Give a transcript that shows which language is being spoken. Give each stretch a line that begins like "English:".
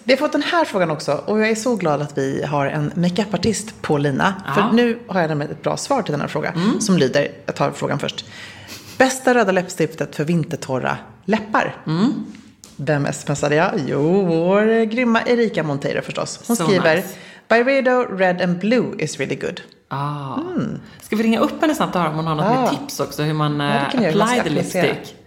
Swedish: Vi har fått den här frågan också. Och jag är så glad att vi har en make-up-artist på Lina. Ja. För nu har jag ett bra svar till den här frågan. Mm. Som lyder, jag tar frågan först. Bästa röda läppstiftet för vintertorra läppar. Vem smsade jag? Jo, vår grymma Erika Monteiro förstås. Hon så skriver, nice.
English: Byredo Red and Blue is really good.
Swedish: Ska vi ringa upp henne snabbt och höra om hon har något med tips också, hur man
English: apply the lipstick.